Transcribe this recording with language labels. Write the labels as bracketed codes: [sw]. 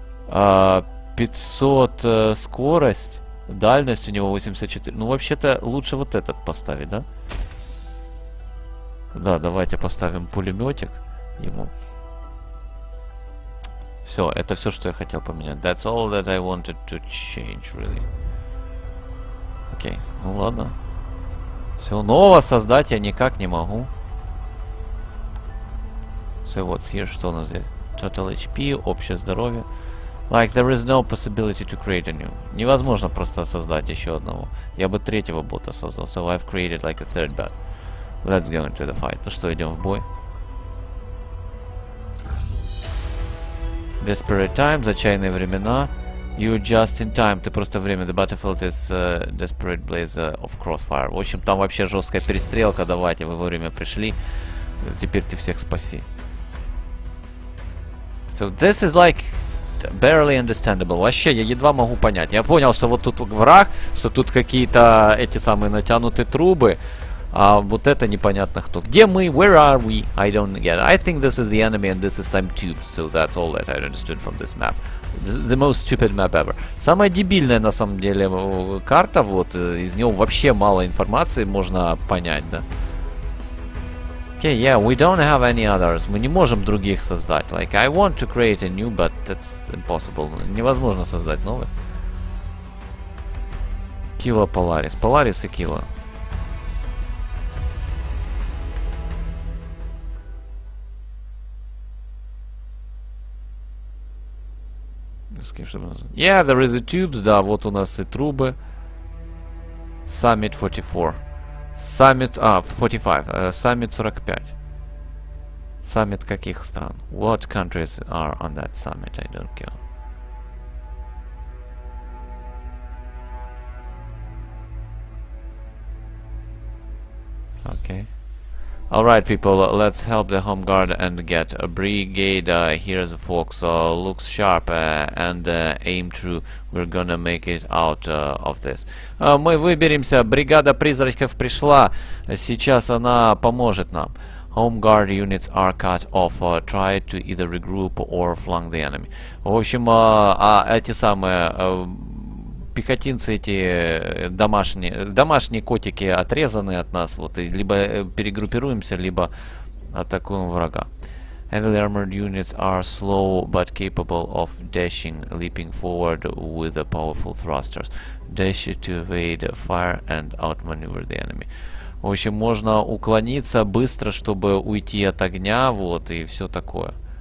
[ru] 500 скорость, дальность у него 84. Ну, вообще-то, лучше вот этот поставить, да? Да, давайте поставим пулеметик ему. Все, это все, что я хотел поменять. [en] That's all that I wanted to change, really. [ru] Окей, ну ладно. Все, нового создать я никак не могу. [en] So what's here, [ru] что у нас здесь? [en] Total HP, [ru] общее здоровье. [en] Like, there is no possibility to create a new. [ru] Невозможно просто создать еще одного. Я бы третьего бота создал. [en] So I've created like a third bot. Let's go into the fight. [ru] Ну что, идем в бой. [en] Desperate time. [ru] Зачайные времена. [en] You just in time. [ru] Ты просто время. [en] The battlefield is desperate blaze of crossfire. [ru] В общем, там вообще жесткая перестрелка. Давайте, вы вовремя пришли. Теперь ты всех спаси. [en] So this is like barely understandable. [ru] Вообще, я едва могу понять. Я понял, что вот тут враг, что тут какие-то эти самые натянутые трубы. А вот это непонятно кто. Где мы? [en] Where are we? I don't get it. I think this is the enemy and this is some tubes. So that's all that I understood from this map. The most stupid map ever. [ru] Самая дебильная, на самом деле, карта. Вот, из него вообще мало информации можно понять, да. [en] Okay, yeah, we don't have any others. [ru] Мы не можем других создать. [en] Like, I want to create a new, but that's impossible. [ru] Невозможно создать новый. Кило Поларис. Поларис и Кило. [en] Yeah, there is a tubes, [ru] да, вот у нас и трубы. [en] Summit 44. Summit, 45. Summit 45. Summit [ru] каких стран? [en] What countries are on that summit? I don't care. Okay. All right, people, let's help the home guard and get a brigade. Here's a fox, looks sharp, and aim true. We're gonna make it out of this. [ru] Мы выберемся. Бригада призраков пришла. Сейчас она поможет нам. [en] Home guard units are cut off. Try to either regroup or flank the enemy. [ru] В общем, эти самые пехотинцы, эти домашние котики отрезаны от нас, вот, и либо перегруппируемся, либо атакуем врага. [en] Heavily armored units are slow, but capable of dashing, leaping forward with the powerful thrusters. Dash to evade fire and outmaneuver the enemy. [ru] В общем, можно уклониться быстро, чтобы уйти от огня, вот, и все такое.